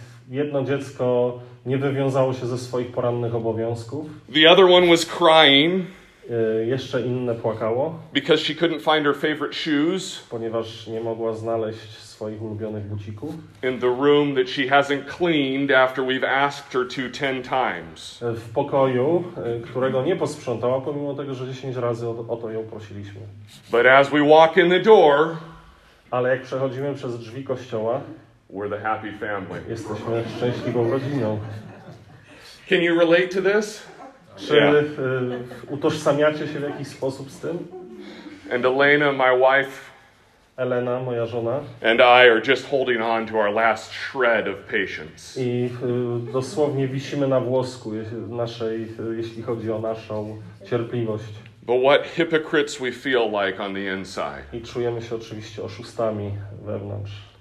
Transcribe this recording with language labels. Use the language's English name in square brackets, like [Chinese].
[Polish] Jedno dziecko nie wywiązało się ze swoich porannych obowiązków. [English] The other one was crying. [Polish] Jeszcze inne płakało. [English] Because she couldn't find her favorite shoes. [Polish] Ponieważ nie mogła znaleźć swoich ulubionych bucików. [English] In the room that she hasn't cleaned after we've asked her to 10 times. [Polish] W pokoju, którego nie posprzątała, pomimo tego, że 10 razy o to ją prosiliśmy. [English] But as we walk in the door, [Polish] ale jak przechodzimy przez drzwi kościoła, [English] we're the happy family. [Polish] Jesteśmy szczęśliwą rodziną. [English] Can you relate to this? [Polish] Czy utożsamiacie się w jakiś sposób z tym? [English] And Elena, my wife, [Polish] Elena, moja żona, [English] and I are just holding on to our last shred of patience. [Polish] I dosłownie wisimy na włosku naszej, jeśli chodzi o naszą cierpliwość. [English] But what hypocrites we feel like on the inside. [Polish] I czujemy się oczywiście oszustami wewnątrz.